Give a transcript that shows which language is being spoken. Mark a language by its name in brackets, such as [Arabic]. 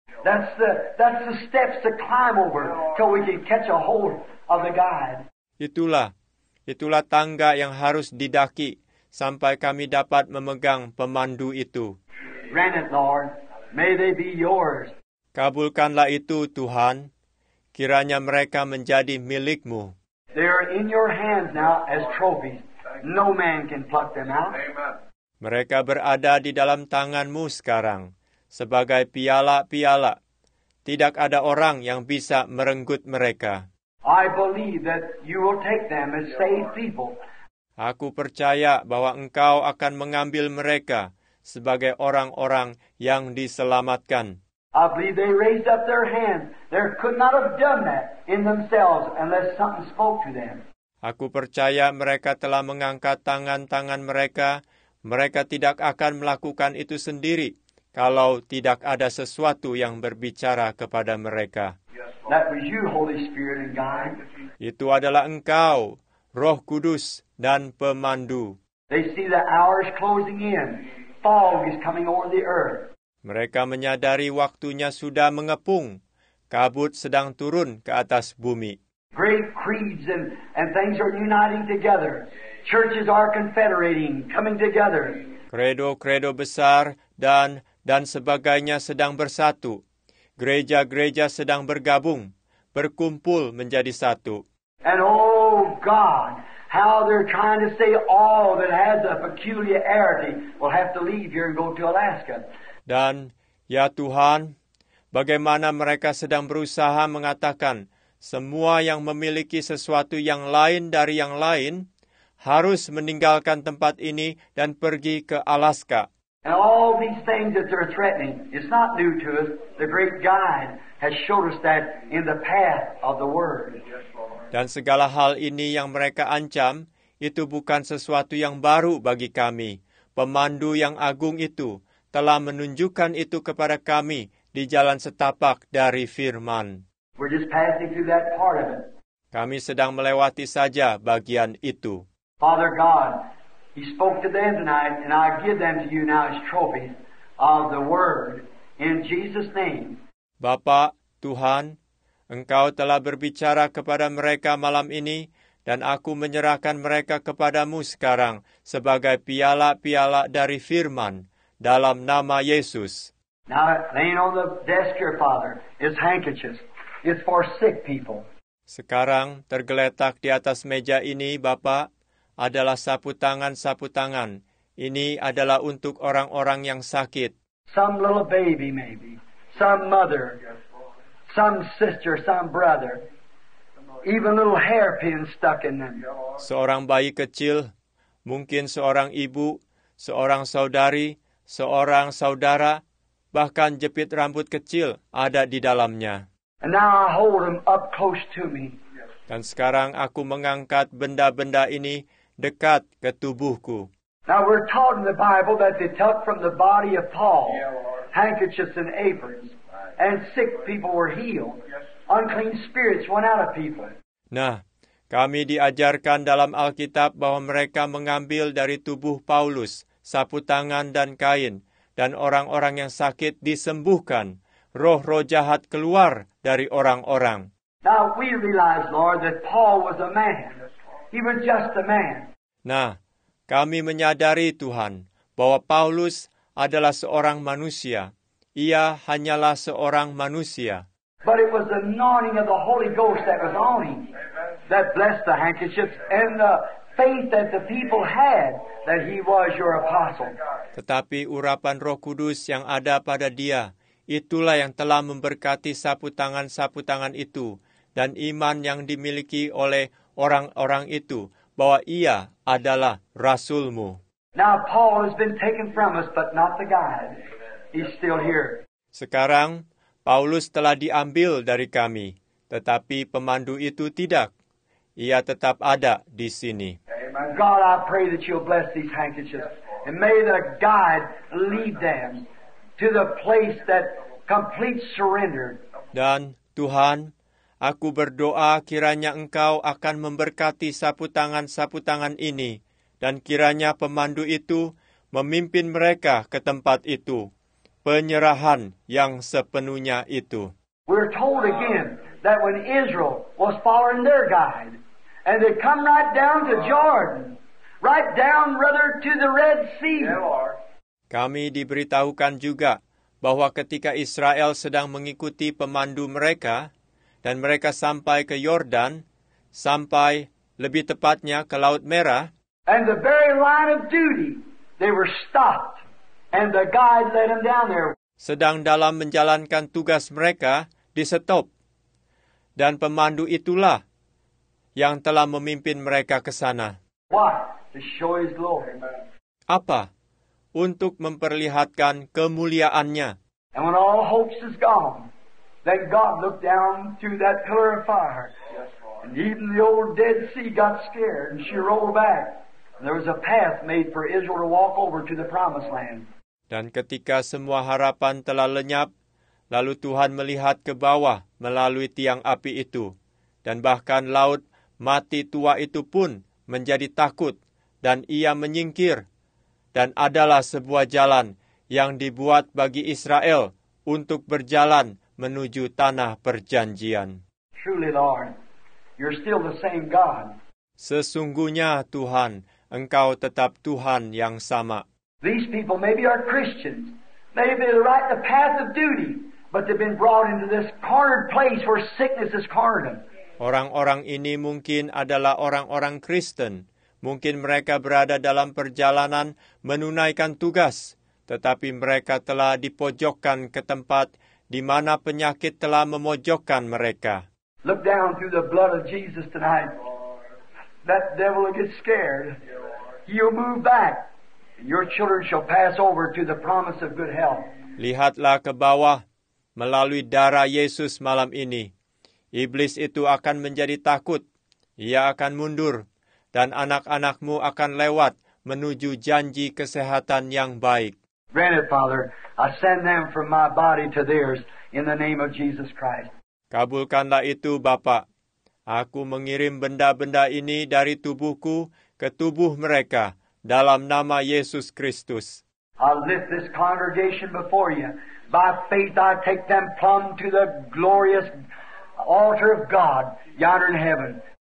[English] That's the steps to climb over till we can catch a hold of the guide. [Indonesian] Itulah tangga yang harus didaki sampai kami dapat memegang pemandu itu. [English] Grant it, Lord. May they be yours. [Indonesian] Kabulkanlah itu, Tuhan. Kiranya mereka menjadi milik-Mu. [English] They are in your hands now as trophies. No man can pluck them out. [Indonesian] Mereka berada di dalam tangan-Mu sekarang sebagai piala-piala. Tidak ada orang yang bisa merenggut mereka. [English] I believe that you will take them as saved people. [Indonesian] Aku percaya bahwa Engkau akan mengambil mereka sebagai orang-orang yang diselamatkan. [English] I believe they raised up their hands. They could not have done that in themselves unless something spoke to them. [Indonesian] Aku percaya mereka telah mengangkat tangan-tangan mereka. Mereka tidak akan melakukan itu sendiri kalau tidak ada sesuatu yang berbicara kepada mereka. [English] That was you, Holy Spirit and guide. [Indonesian] Itu adalah Engkau, Roh Kudus dan pemandu. [English] They see the hours closing in. Fog is coming over the earth. [Indonesian] Mereka menyadari waktunya sudah mengepung. Kabut sedang turun ke atas bumi. [English] Great creeds and things are uniting together. Churches are confederating, coming together. [Indonesian] Kredo-kredo besar dan sebagainya sedang bersatu. Gereja-gereja sedang bergabung, berkumpul menjadi satu. [English] And oh God, how they're trying to say all that has a peculiarity will have to leave here and go to Alaska. [Indonesian] Dan ya Tuhan, bagaimana mereka sedang berusaha mengatakan semua yang memiliki sesuatu yang lain dari yang lain harus meninggalkan tempat ini dan pergi ke Alaska. [English] And all these things that they're threatening, it's not new to us. The great guide has showed us that in the path of the Word. [Indonesian] Dan segala hal ini yang mereka ancam, itu bukan sesuatu yang baru bagi kami. Pemandu yang agung itu telah menunjukkan itu kepada kami di jalan setapak dari firman. [English] We're just passing through that part of it. [Indonesian] Kami sedang melewati saja bagian itu. [English] Father God, He spoke to them tonight, and I give them to you now as trophies of the Word in Jesus' name. [Indonesian] Bapa, Tuhan, Engkau telah berbicara kepada mereka malam ini, dan aku menyerahkan mereka kepadamu sekarang sebagai piala-piala dari firman dalam nama Yesus. [English] Now, laying on the desk here, Father, is handkerchiefs. It's for sick people. [Indonesian] Sekarang, tergeletak di atas meja ini, Bapak, adalah sapu tangan-sapu tangan. Ini adalah untuk orang-orang yang sakit. [English] Some little baby, maybe. Some mother. Some sister, some brother. Even little hairpins stuck in them. [Indonesian] Seorang bayi kecil, mungkin seorang ibu, seorang saudari, seorang saudara, bahkan jepit rambut kecil ada di dalamnya. [English] And now I hold them up close to me. [Indonesian] Dan sekarang aku mengangkat benda-benda ini dekat ke tubuhku. [English] Now we're taught in the Bible that they took from the body of Paul handkerchiefs and aprons, and sick people were healed. Unclean spirits went out of people. [Indonesian] Nah, kami diajarkan dalam Alkitab bahwa mereka mengambil dari tubuh Paulus sapu tangan dan kain, dan orang-orang yang sakit disembuhkan. Roh-roh jahat keluar dari orang-orang. [English] Now we realize, Lord, that Paul was a man. He was just a man. [Indonesian] Nah, kami menyadari, Tuhan, bahwa Paulus adalah seorang manusia. Ia hanyalah seorang manusia. [English] But it was the anointing of the Holy Ghost that was on him that blessed the handkerchiefs and the faith that the people had that he was your apostle. [Indonesian] Tetapi urapan Roh Kudus yang ada pada dia, itulah yang telah memberkati sapu tangan itu dan iman yang dimiliki oleh orang-orang itu bahwa ia adalah rasulmu. [English] Now Paul has been taken from us, but not the guide. He's still here. [Indonesian] Sekarang Paulus telah diambil dari kami, tetapi pemandu itu tidak. Ia tetap ada di sini. [English] Amen. God, I pray that you'll bless these handkerchiefs and may the guide lead them to the place that complete surrender. [Indonesian] Dan Tuhan, aku berdoa kiranya Engkau akan memberkati sapu tangan ini, dan kiranya pemandu itu memimpin mereka ke tempat itu, penyerahan yang sepenuhnya itu. [English] We're told again that when Israel was following their guide, and they come right down to Jordan, right down rather to the Red Sea. [Indonesian] Kami diberitahukan juga bahwa ketika Israel sedang mengikuti pemandu mereka, dan mereka sampai ke Yordan, sampai lebih tepatnya ke Laut Merah, [English] and the very line of duty, they were stopped, and the guide led them down there. [Indonesian] Sedang dalam menjalankan tugas mereka, disetop, dan pemandu itulah yang telah memimpin mereka ke sana. [English] What? To show His glory. [Indonesian] Apa? Untuk memperlihatkan kemuliaannya. [English] And when all hopes is gone, then God looked down through that pillar of fire. And even the old Dead Sea got scared, and she rolled back. And there was a path made for Israel to walk over to the Promised Land. [Indonesian] Dan ketika semua harapan telah lenyap, lalu Tuhan melihat ke bawah melalui tiang api itu. Dan bahkan laut mati tua itu pun menjadi takut, dan ia menyingkir. Dan adalah sebuah jalan yang dibuat bagi Israel untuk berjalan menuju tanah perjanjian. [English] Truly, Lord, you're still the same God. [Indonesian] Sesungguhnya, Tuhan, Engkau tetap Tuhan yang sama. [English] These people maybe are Christians, maybe they're right in the path of duty, but they've been brought into this cornered place where sickness is cornered them. [Indonesian] Orang-orang ini mungkin adalah orang-orang Kristen. Mungkin mereka berada dalam perjalanan menunaikan tugas, tetapi mereka telah dipojokkan ke tempat di mana penyakit telah memojokkan mereka. [English] Look down through the blood of Jesus tonight. That devil will get scared. He'll move back. your children shall pass over to the promise of good health. [Indonesian] Lihatlah ke bawah melalui darah Yesus malam ini. Iblis itu akan menjadi takut. Ia akan mundur dan anak-anakmu akan lewat menuju janji kesehatan yang baik. [English] Granted, Father, I send them from my body to theirs in the name of Jesus Christ. [Indonesian] Kabulkanlah itu, Bapa. Aku mengirim benda-benda ini dari tubuhku ke tubuh mereka dalam nama Yesus Kristus. [English] I lift this congregation before you. By faith I take them plumb to the glorious altar of God yonder in heaven.